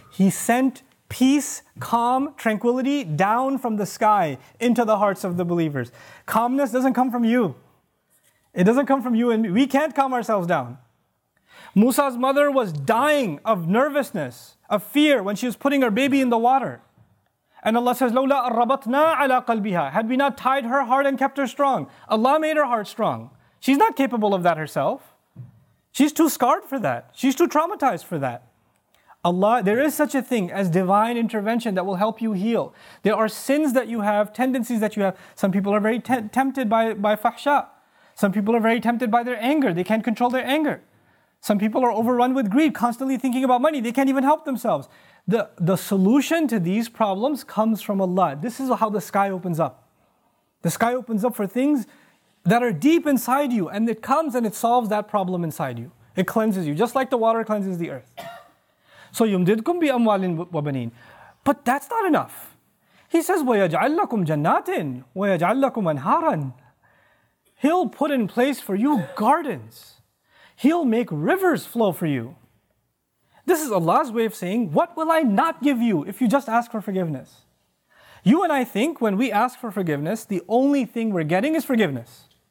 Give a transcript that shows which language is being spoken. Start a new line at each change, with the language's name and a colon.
English: He sent peace, calm, tranquility down from the sky into the hearts of the believers. Calmness doesn't come from you. It doesn't come from you and me. We can't calm ourselves down. Musa's mother was dying of nervousness, of fear when she was putting her baby in the water.
Arabic: And Allah says, لَوْلَا أَرَّبَطْنَا عَلَىٰ قَلْبِهَا.
English: Had we not tied her heart and kept her strong. Allah made her heart strong. She's not capable of that herself. She's too scarred for that. She's too traumatized for that. Allah, there is such a thing as divine intervention that will help you heal. There are sins that you have, tendencies that you have. Some people are very tempted by fahsha. Some people are very tempted by their anger. They can't control their anger. Some people are overrun with greed, constantly thinking about money. They can't even help themselves. The solution to these problems comes from Allah. This is how the sky opens up. The sky opens up for things that are deep inside you, and it comes and it solves that problem inside you. It cleanses you, just like the water cleanses the earth. So
Arabic: yumdidkum bi amwalin wa banin.
English: But that's not enough.
Arabic: He says, وَيَجْعَلْ لَكُمْ جَنَّاتٍ وَيَجْعَلْ لَكُمْ أَنْهَارًا.
English: He'll put in place for you gardens. He'll make rivers flow for you. This is Allah's way of saying, what will I not give you if you just ask for forgiveness? You and I think when we ask for forgiveness, the only thing we're getting is forgiveness.